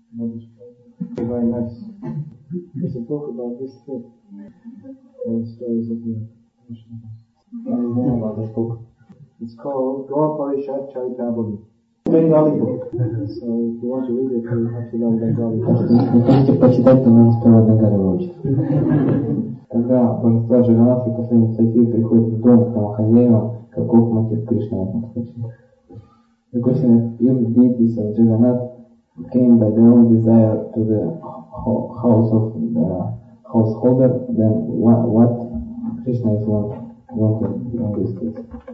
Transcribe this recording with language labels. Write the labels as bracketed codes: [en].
[en] It'll be very nice. There's a book about this thing. All the stories of the Russian. I don't know about this book. It's called Gaur Parishad Charitabhali. Bengali book. So if you want to read it, you have to learn Bengali. If you want to [ru] прочитать, то надо сперва Bengali выучить. Когда божество Джаганнатха после инициативы приходит в дом к домохозяевам, каков мотив Кришны в этом случае? [en] The question is, if deities of Jagannath came by their own desire to the house of the householder, then what Krishna is wanting in this case?